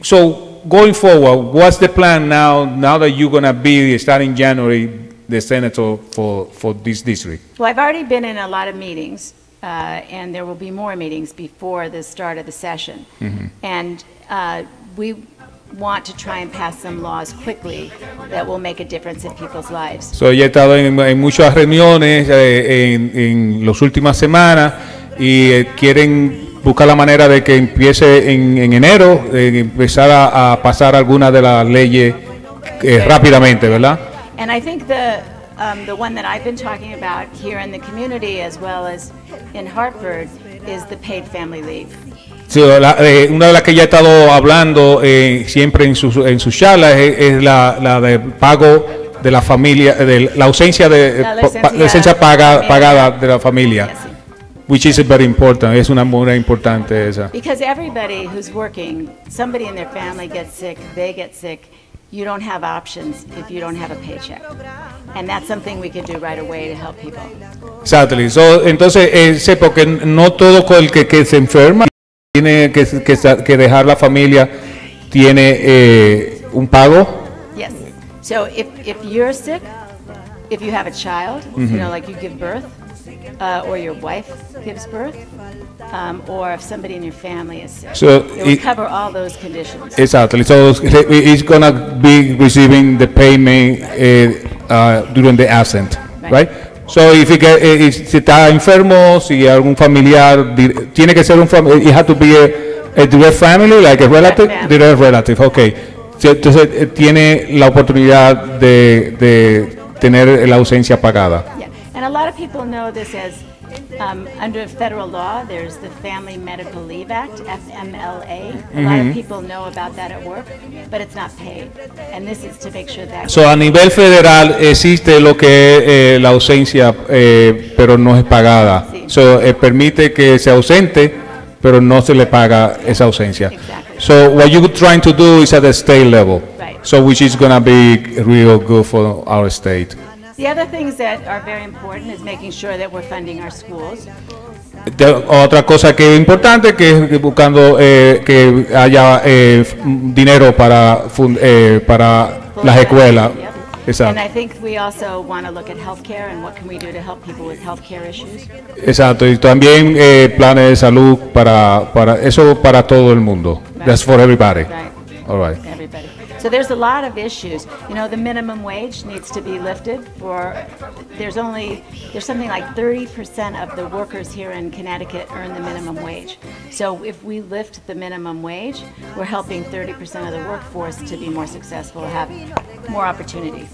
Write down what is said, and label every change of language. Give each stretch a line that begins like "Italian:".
English: So going forward, what's the plan now that you're gonna be starting January the senator for this district? Well, I've already been in a lot of meetings And there will be more meetings before the start of the session. Mm-hmm. And we want to try and pass some laws quickly that will make a difference in people's lives.
Spanish: So ya he estado en muchas reuniones en las últimas semanas y quieren buscar la manera de que empiece en enero empezar a pasar alguna de las leyes rápidamente, ¿verdad?
English: And I think the one that I've been talking about here in the community as well as in Hartford is the paid family leave.
Spanish: Sí, una de las que ya he estado hablando siempre en sus charlas es la de pago de la familia, de la ausencia de pagada de la familia.
English: Which is very important.
Spanish: Es una muy importante esa.
English: Because everybody who's working, somebody in their family gets sick, they get sick. You don't have options if you don't have a paycheck. And that's something we can do right away to help people. Exactly.
Spanish: So, entonces, sé porque no todo el que se enferma tiene que dejar la familia tiene un pago.
English: Yes. So, if you're sick, if you have a child, mm-hmm. you know, like you give birth, or your wife gives birth, or if somebody in your family is sick, so it will cover all those conditions. Exactly. So he's gonna be receiving the payment during the absence, right? So if he
Spanish: está enfermo, si algún familiar tiene que ser un familiar,
English: it has to be a direct family, like a relative, direct relative. Okay.
Spanish: So, entonces tiene la oportunidad de tener la ausencia pagada.
English: And a lot of people know this as under federal law, there's the Family Medical Leave Act, FMLA. Mm-hmm. A lot of people know about that at work, but it's not paid. And this is to make sure that.
Spanish: So, a nivel federal existe lo que es la ausencia, pero no es pagada. Sí. So, permite que se ausente, pero no se le paga esa ausencia.
English: Exactly. So, what you're trying to do is at the state level. Right. So, which is going to be real good for our state. The other things that are very important is making sure that we're funding our schools.
Spanish: Otra cosa que es importante que es buscando que haya dinero para para las escuelas. Exacto.
English: And I think we also want to look at healthcare and what can we do to help people with healthcare issues.
Spanish: Exacto. Y también planes de salud para eso para todo el mundo.
English: Right. That's for everybody. Right. All right. Everybody. So there's a lot of issues. You know, the minimum wage needs to be lifted there's something like 30% of the workers here in Connecticut earn the minimum wage. So if we lift the minimum wage, we're helping 30% of the workforce to be more successful, have more opportunity.